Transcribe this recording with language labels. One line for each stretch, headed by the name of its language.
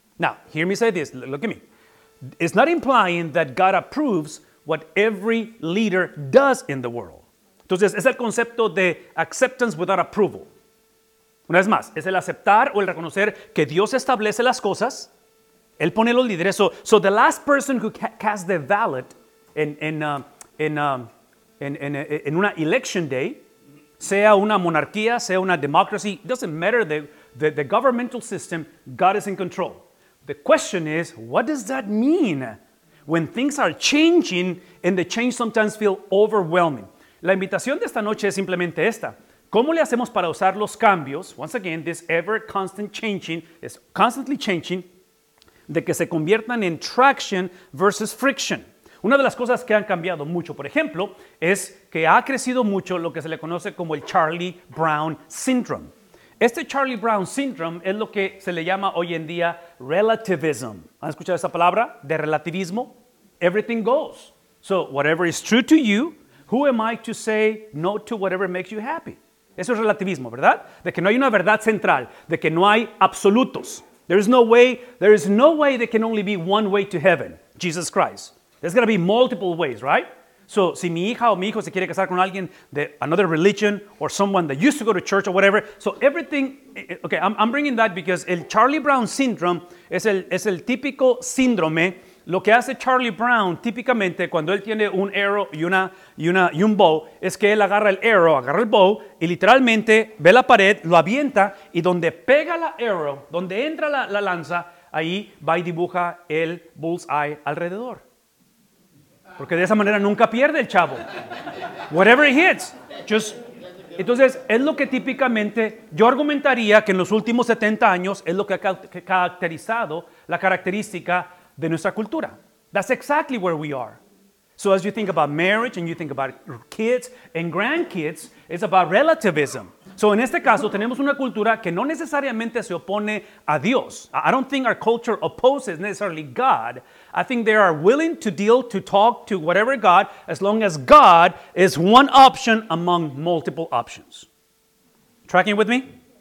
English: Now, hear me say this, look at me. It's not implying that God approves what every leader does in the world.
Spanish: Entonces, es el concepto de acceptance without approval. Una vez más, es el aceptar o el reconocer que Dios establece las cosas. Él pone los líderes.
English: So the last person who cast the ballot in una election day,
Spanish: sea una monarquía, sea una
English: democracy, doesn't matter the governmental system, God is in control. The question is, what does that mean when things are changing and the change sometimes feel overwhelming?
Spanish: La invitación de esta noche es simplemente esta. ¿Cómo le hacemos para usar los cambios?
English: Once again, this ever constant changing is constantly changing,
Spanish: de que se conviertan en traction versus friction. Una de las cosas que han cambiado mucho, por ejemplo, es que ha crecido mucho lo que se le conoce como el Charlie Brown Syndrome. Este Charlie Brown Syndrome es lo que se le llama hoy en día relativism. ¿Han escuchado esa palabra? De relativismo.
English: Everything goes. So, whatever is true to you, who am I to say no to whatever makes you happy?
Spanish: Eso es relativismo, ¿verdad? De que no hay una verdad central, de que no hay absolutos.
English: There is no way there can only be one way to heaven, Jesus Christ. There's going to be multiple ways, right? So,
Spanish: si mi hija o mi hijo se quiere casar con alguien de
English: another religion or someone that used to go to church or whatever, so everything, okay, I'm bringing that because
Spanish: el Charlie Brown syndrome es el típico síndrome. Lo que hace Charlie Brown típicamente cuando él tiene un arrow y un bow es que él agarra el arrow, agarra el bow y literalmente ve la pared, lo avienta y donde pega la arrow, donde entra la lanza, ahí va y dibuja el bullseye alrededor. Porque de esa manera nunca pierde el chavo.
English: Whatever he hits, just...
Spanish: Entonces, es lo que típicamente yo argumentaría que en los últimos 70 años es lo que ha caracterizado la característica de nuestra cultura.
English: That's exactly where we are. So as you think about marriage and you think about kids and grandkids, it's about relativism.
Spanish: So in este caso, tenemos una cultura que no necesariamente se opone a Dios.
English: I don't think our culture opposes necessarily God. I think they are willing to deal, to talk to whatever God, as long as God is one option among multiple options. Tracking with me?